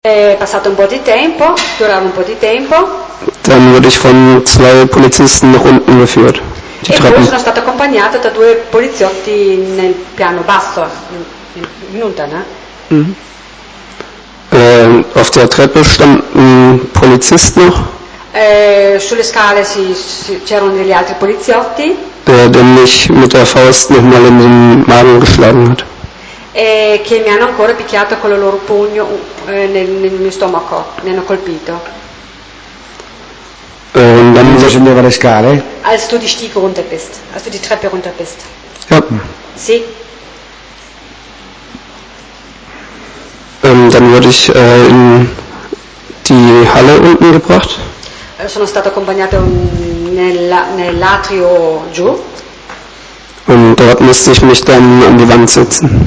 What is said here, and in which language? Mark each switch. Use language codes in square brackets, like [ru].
[it] È passato un po' di tempo, durava un po' di tempo. [de] Dann wurde ich von zwei Polizisten nach unten geführt. [it] E poi sono stato accompagnato da due poliziotti nel piano basso, [de] in unten, ne? Auf der Treppe standen Polizisten noch. [it] Sulle scale c'erano degli altri poliziotti. [de] Der mich mit der Faust nochmal in den Magen geschlagen hat. [it] Che mi hanno ancora picchiato con il loro pugno nel mio stomaco, mi hanno colpito. [de] Dann [it] scendeva le scale. [de] Als du die Stiege runter bist, als du die Treppe runter bist. Ja. [it] Sì. [de] Dann wurde ich in die Halle unten gebracht. [it] Sono stato accompagnato nell'atrio giù. [de] Und dort musste ich mich dann an die Wand setzen.